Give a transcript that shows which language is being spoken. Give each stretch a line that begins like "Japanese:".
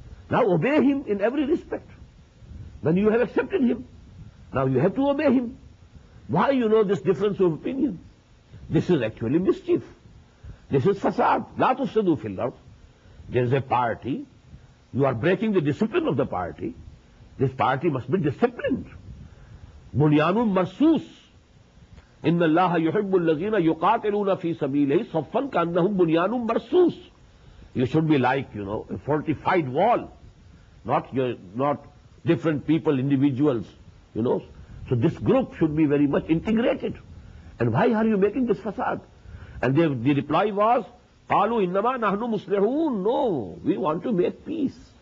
English: Now obey him in every respect. When you have accepted him, now you have to obey him. Why you know this difference of opinion? This is actually mischief. This is fasad.
Arabic: لا تفسدوا في الأرض.
English: There is a party. You are breaking the discipline of the party. This party must be disciplined.
Arabic: بنيان مرصوص. إن الله يحب الذين يقاتلون في سبيله صفا كأنهم بنيان مرصوص.
English: You should be like, you know, a fortified wall. Not different people, individuals, you know. So this group should be very much integrated. And why are you making this facade? And the reply was,
Arabic: قَالُوا إِنَّمَا نَحْنُ مُسْلِحُونَ
English: No, we want to make peace.